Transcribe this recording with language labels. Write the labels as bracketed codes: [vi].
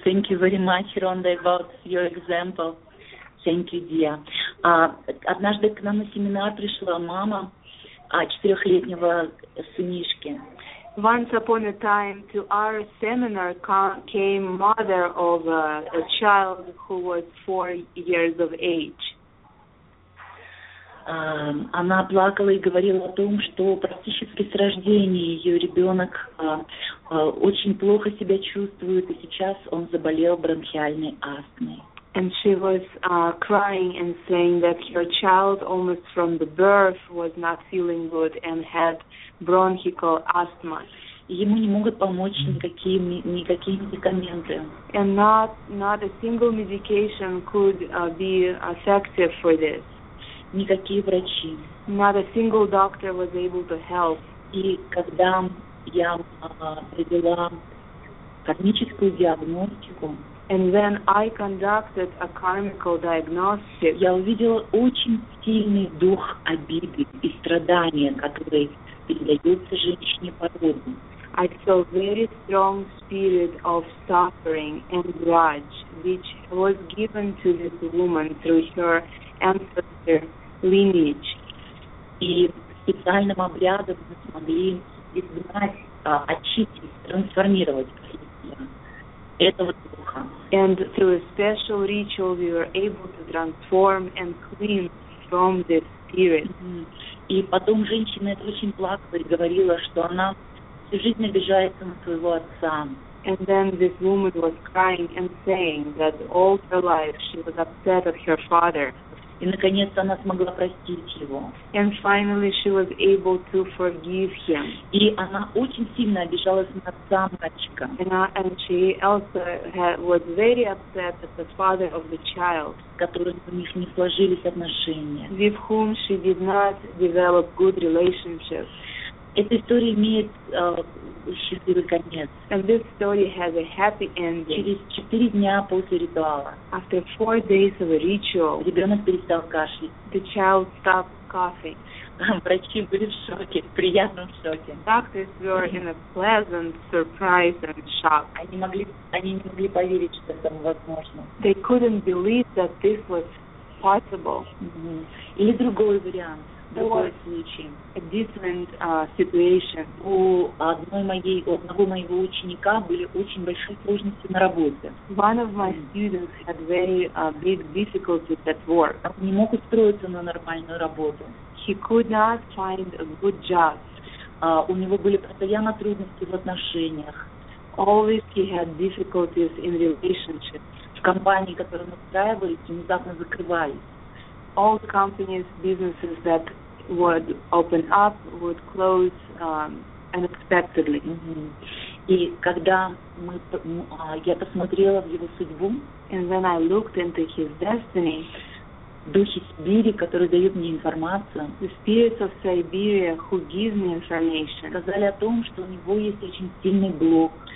[en] Thank you very much, Rhonda, about your example. Thank you, dear. [ru] Однажды к нам на семинар пришла мама четырехлетнего сынишки. [en] Once upon a time to our seminar came mother of a child who was 4 years of age. [ru] Она плакала и говорила о том, что практически с рождения ее ребенок очень плохо себя чувствует, и сейчас он заболел бронхиальной астмой. [en] And she was crying and saying that her child, almost from the birth, was not feeling good and had bronchial asthma. [ru] Ему не могут помочь никакие медикаменты. [en] And not a single medication could be effective for this. [ru] Никакие врачи. [en] Not a single doctor was able to help. [ru] И когда я привела кармическую диагностику, [en] and then I conducted a karmical diagnosis. [ru] Я увидела очень сильный дух обиды и страдания, который передается женщине по роду. [en] I saw very strong spirit of suffering and grudge, which was given to this woman through her ancestor lineage. [ru] И специальным обрядом мы смогли изгнать, очистить, трансформировать этого духа. [en] And through a special ritual, we were able to transform and clean from this spirit. Mm-hmm. [ru] И потом женщина это очень плакала и говорила, что она всю жизнь обижается на своего отца. [en] And then this woman was crying and saying that all her life she was upset at her father. [ru] И наконец она смогла простить его. [en] And finally she was able to forgive him. [ru] И она очень сильно обижалась на отца мальчика. [en] And she also was very upset at the father of the child. [ru] Которые у них не сложились отношения. [en] With whom she did not develop good relationships. [ru] Эта история имеет счастливый конец. [en] And this story has a happy ending. [ru] Через 4 дня после ритуала. [en] After 4 days of a ritual. [ru] Ребенок перестал кашлять. [en] The child stopped coughing. [ru] Врачи были в шоке, в приятном шоке. [en] Doctors were in a pleasant surprise and shock. [ru] Они не могли поверить, что это возможно. [en] They couldn't believe that this was possible. [ru] Или другой вариант. [en] A different situation. [ru] У одного моего ученика были очень большие сложности на работе. [en] One of my students had very big difficulties at work. [ru] Он не мог устроиться на нормальную работу. [en] He could not find a good job. [ru] У него были постоянно трудности в отношениях. [en] Always he had difficulties in relationships. [ru] В компании, которую мы устраивались, внезапно закрывались. [en] All the companies, businesses that would open up, would close unexpectedly. Mm-hmm. [ru] И когда я посмотрела в его судьбу, [en] and when I looked into his destiny, [ru] духи Сибири, которые дают мне информацию, [en] the spirits of Siberia who give me information, [ru] сказали о том, что у него есть очень сильный блок,